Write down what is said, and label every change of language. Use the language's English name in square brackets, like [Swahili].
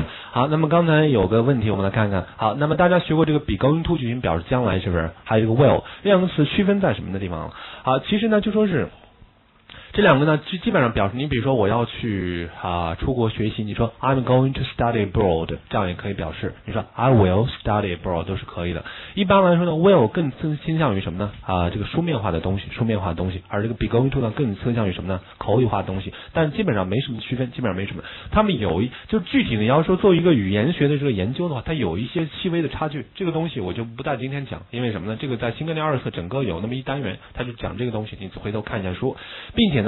[Chinese] 好，那么刚才有个问题，我们来看看。好，那么大家学过这个 be going to 句型表示将来是不是？还有这个 will 两个词区分在什么的地方？好，其实呢就说是。这两个呢，就基本上表示你，比如说我要去出国学习，你说 [English] I'm going to study abroad， [Chinese] 这样也可以表示。你说 [English] I will study abroad [Chinese] 都是可以的。一般来说呢 ，will 更倾向于什么呢？这个书面化的东西，书面化的东西，而这个 be going to 呢，更倾向于什么呢？口语化的东西。但基本上没什么区分，基本上没什么。他们有就具体的，要说做一个语言学的这个研究的话，它有一些细微的差距。这个东西我就不在今天讲，因为什么呢？这个在新概念二课整个有那么一单元，他就讲这个东西，你回头看一下书，并且。